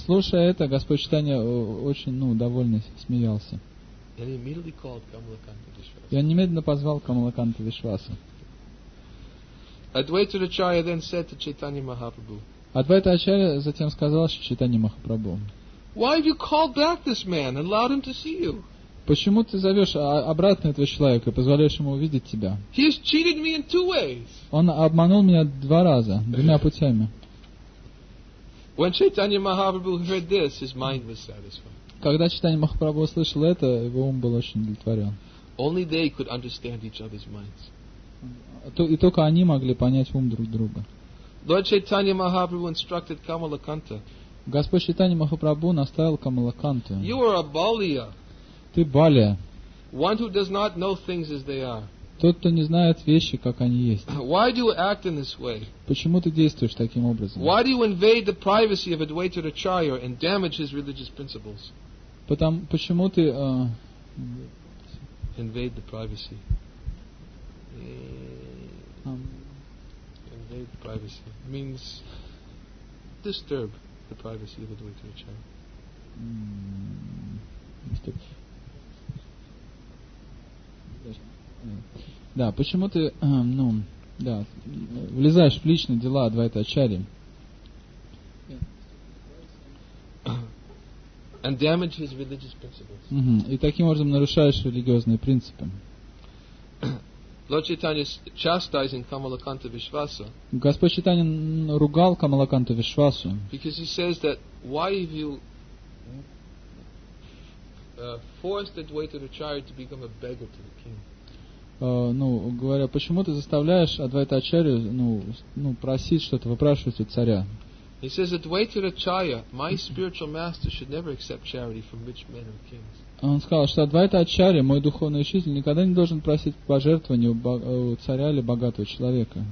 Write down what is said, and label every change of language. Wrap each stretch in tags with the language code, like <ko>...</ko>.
<ru>Слушая это, Господь Чайтанья очень довольный смеялся.</ru> <en>And he immediately called Kamalakanta Vishwasa.</en> <ru>И он немедленно позвал Камалаканта Вишвасу.</ru> <en>Advaita Acharya then said to Chaitanya Mahaprabhu.</en> <ru>Адвайта Ачарья затем сказал Чайтанье Махапрабху.</ru> <en>Why have you called back this man and allowed him to see you?</en> <ru>Почему ты зовешь обратно этого человека и позволяешь ему увидеть тебя?</ru> <en>He has cheated me in two ways.</en> <ru>Он обманул меня два раза, двумя путями.</ru> <en>When Chaitanya Mahaprabhu heard this, his mind was satisfied.</en> <ru>Когда Чайтанья Махапрабху услышал это, его ум был очень удовлетворен.</ru> <en>Only they could understand each other's minds.</en> <ru>И только они могли понять ум друг друга.</ru> <en>Lord Chaitanya Mahaprabhu instructed Kamalakanta.</en> <ru>Господь Чайтанья Махапрабху наставил Камалаканту.</ru> <en>You are a Балия.</en> <ru>Ты Балия.</ru> <en>One who does not know things as they are.</en> <ru>Тот, кто не знает вещи, как они есть.</ru> <en>Why do you act in this way?</en> <ru>Почему ты действуешь таким образом?</ru> <en>Why do you invade the privacy of Advaita Acharya and damage his religious principles?</en> <ru>Почему ты</ru> <en>invade the privacy? Invade the privacy means disturb. The privacy of Advaita Acharya.</en> <ru>Да, почему ты, влезаешь в личные дела Адвайта Ачарьи?</ru> <en>And damage his religious principles.</en> <ru>И таким образом нарушаешь религиозные принципы.</ru> <en>Lord Chaitanya is chastising Kamalakanta Vishwasa.</en> <ru>Господь Чайтанья ругал Камалаканту Вишвасу.</ru> <en>Because he says that why have you forced Advaita Acharya to become a beggar to the king?</en> <ru>Говоря, почему ты заставляешь Адвайта Ачарью просить что-то, выпрашивать у царя?</ru> <en>He says Advaita Acharya, my spiritual master, should never accept charity from rich men or kings.</en> <ru>Он сказал, что Адвайта Ачарья, мой духовный учитель, никогда не должен просить пожертвования у царя или богатого человека.</ru>